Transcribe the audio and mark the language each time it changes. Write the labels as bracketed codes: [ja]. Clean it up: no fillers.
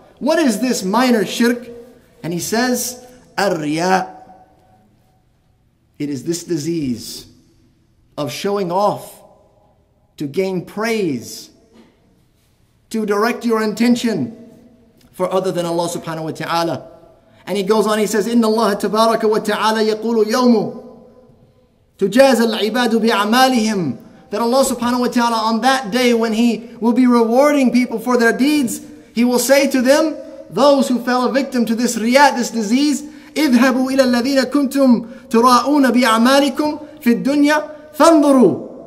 [en] What is this minor shirk? And he says, ar-riya. It is this disease of showing off to gain praise, to direct your intention for other than Allah subhanahu wa ta'ala. And he goes on, he says, [ar] إِنَّ اللَّهَ تَبَارَكَ وَتَعَالَى يَقُولُ يَوْمُ تُجَازَ الْعِبَادُ بِعَمَالِهِمْ. [en] That Allah subhanahu wa ta'ala, on that day when He will be rewarding people for their deeds, He will say to them, those who fell a victim to this riya, this disease, [ar] اِذْهَبُوا إِلَى الَّذِينَ كُنْتُمْ تُرَاؤُونَ بِعَمَالِكُمْ فِي الدُّنْيَا فَانْظُرُوا.